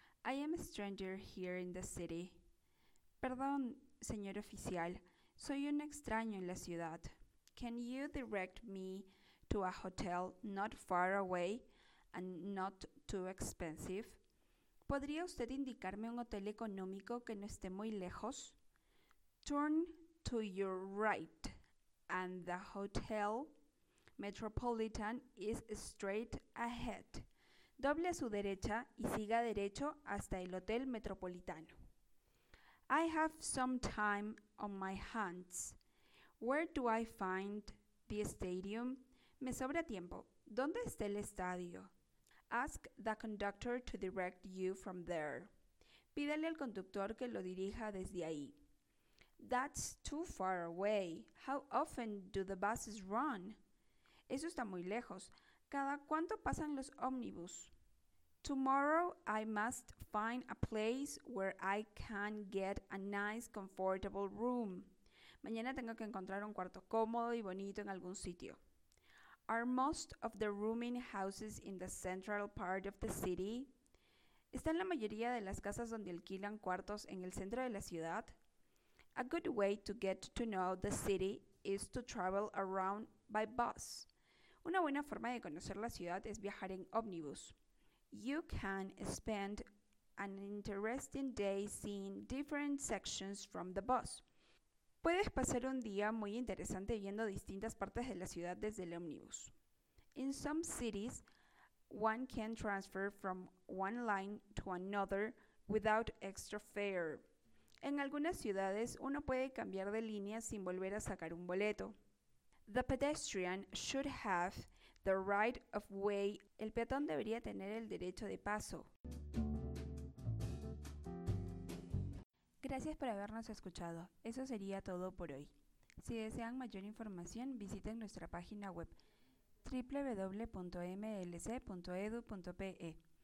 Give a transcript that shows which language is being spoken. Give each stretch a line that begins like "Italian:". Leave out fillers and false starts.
English: I am a stranger here in the city.
Spanish: Perdón, señor oficial. Soy un extraño en la ciudad.
English: Can you direct me to a hotel not far away and not too expensive?
Spanish: ¿Podría usted indicarme un hotel económico que no esté muy lejos?
English: Turn to your right and the hotel Metropolitan is straight ahead.
Spanish: Doble a su derecha y siga derecho hasta el Hotel Metropolitano.
English: I have some time on my hands. Where do I find the stadium?
Spanish: Me sobra tiempo. ¿Dónde está el estadio?
English: Ask the conductor to direct you from there.
Spanish: Pídale al conductor que lo dirija desde ahí.
English: That's too far away. How often do the buses run?
Spanish: Eso está muy lejos. ¿Cada cuánto pasan los ómnibus?
English: Tomorrow I must find a place where I can get a nice, comfortable room.
Spanish: Mañana tengo que encontrar un cuarto cómodo y bonito en algún sitio.
English: Are most of the rooming houses in the central part of the city?
Spanish: ¿Están la mayoría de las casas donde alquilan cuartos en el centro de la ciudad?
English: A good way to get to know the city is to travel around by bus.
Spanish: Una buena forma de conocer la ciudad es viajar en ómnibus.
English: You can spend an interesting day seeing different sections from the bus.
Spanish: Puedes pasar un día muy interesante viendo distintas partes de la ciudad desde el ómnibus.
English: In some cities, one can transfer from one line to another without extra fare.
Spanish: En algunas ciudades, uno puede cambiar de línea sin volver a sacar un boleto.
English: The pedestrian should have the right of way.
Spanish: El peatón debería tener el derecho de paso. Gracias por habernos escuchado. Eso sería todo por hoy. Si desean mayor información, visiten nuestra página web www.mlc.edu.pe.